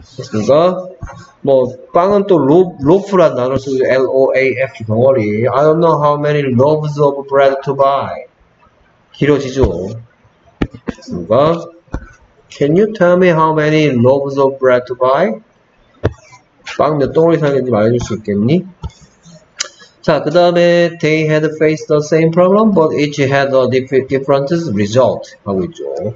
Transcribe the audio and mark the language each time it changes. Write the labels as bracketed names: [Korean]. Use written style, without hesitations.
[Korean] 그러니까 뭐 빵은 또 loaf란 단어 쓰고 L-O-A-F 덩어리. [English] I don't know how many loaves of bread to buy. [Korean] 길어지죠. 그러니까 [English] Can you tell me how many loaves of bread to buy? [Korean] 빵 몇 덩어리 사야 되는지 말해줄 수 있겠니? 자, 그 다음에 [English] They had faced the same problem but each had a different result [Korean] 하고 있죠.